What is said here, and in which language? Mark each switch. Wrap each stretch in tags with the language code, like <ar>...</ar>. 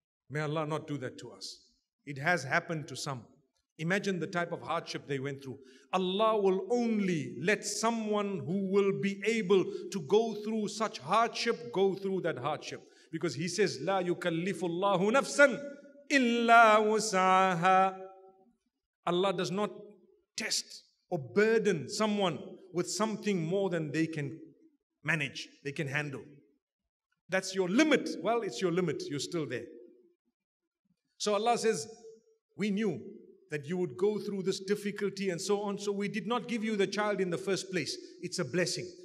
<en>May Allah not do that to us. It has happened to some. Imagine the type of hardship they went through. Allah will only let someone who will be able to go through such hardship go through that hardship.</en> <ar>Because He says, لا يكلف الله نفسا إلا وسعها.</ar> <en>Allah does not test or burden someone with something more than they can manage, they can handle. That's your limit. Well, it's your limit. You're still there. So Allah says, we knew that you would go through this difficulty and so on. So we did not give you the child in the first place. It's a blessing.</en>